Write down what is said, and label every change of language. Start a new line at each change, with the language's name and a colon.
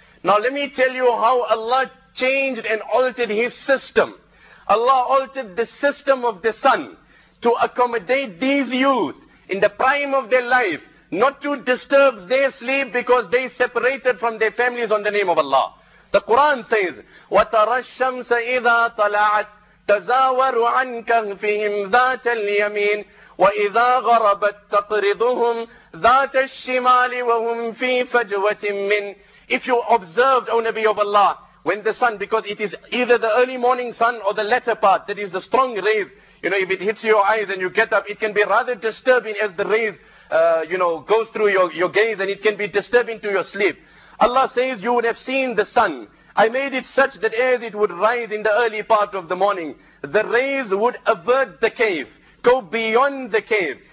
English: Now let me tell you how Allah changed and altered His system. Allah altered the system of the sun to accommodate these youth in the prime of their life, not to disturb their sleep because they separated from their families on the name of Allah. The Quran says,
Arabic: وَتَرَى الشَّمْسَ إِذَا طَلَعَتْ تَزَاوَرُ عَنْ كَهْفِهِمْ ذَاتَ الْيَمِينِ وَإِذَا غَرَبَتْ تَقْرِضُهُمْ ذَاتَ الشِّمَالِ وَهُمْ فِي فَجْوَةٍ مِّنْ.
English: If you observed, O Nabi of Allah, when the sun, because it is either the early morning sun or the latter part, that is the strong rays, you know, if it hits your eyes and you get up, it can be rather disturbing as the rays, goes through your gaze and it can be disturbing to your sleep. Allah says, you would have seen the sun. I made it such that as it would rise in the early part of the morning, the rays would avert the cave, go beyond the cave.